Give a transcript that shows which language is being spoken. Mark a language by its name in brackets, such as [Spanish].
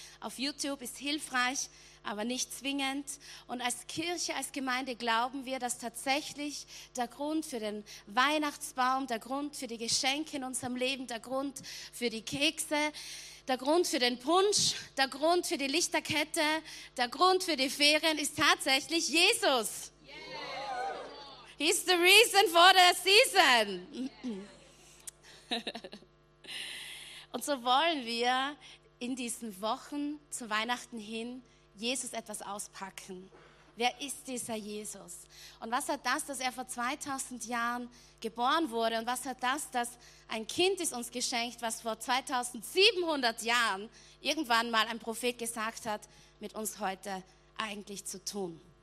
[German] Auf YouTube ist hilfreich, aber nicht zwingend. Und als Kirche, als Gemeinde glauben wir, dass tatsächlich der Grund für den Weihnachtsbaum, der Grund für die Geschenke in unserem Leben, der Grund für die Kekse, der Grund für den Punsch, der Grund für die Lichterkette, der Grund für die Ferien ist tatsächlich Jesus. [English] Yes. He's the reason for the season. Yes. [German] Und so wollen wir in diesen Wochen zu Weihnachten hin Jesus etwas auspacken. Wer ist dieser Jesus? Und was hat das, dass er vor 2000 Jahren geboren wurde? Und was hat das, dass ein Kind ist uns geschenkt, was vor 2700 Jahren irgendwann mal ein Prophet gesagt hat, mit uns heute eigentlich zu tun?